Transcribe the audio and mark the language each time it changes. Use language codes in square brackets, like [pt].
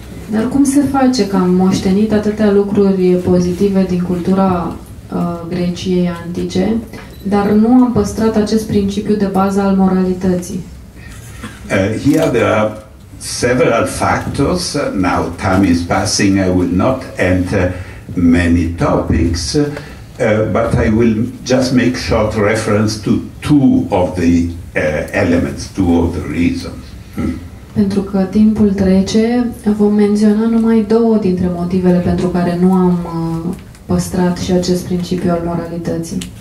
[ro] Dar cum se face că am moștenit atâtea lucruri pozitive din cultura Greciei antice, dar nu am păstrat acest principiu de bază al moralității? [en] Here there are several factors. Now time is passing, I will not enter many topics, but I will just make short reference to two of the elements, two of the reasons. [ro] Pentru că timpul trece, vom menționa numai două dintre motivele pentru care nu am păstrat și acest principiu al moralității.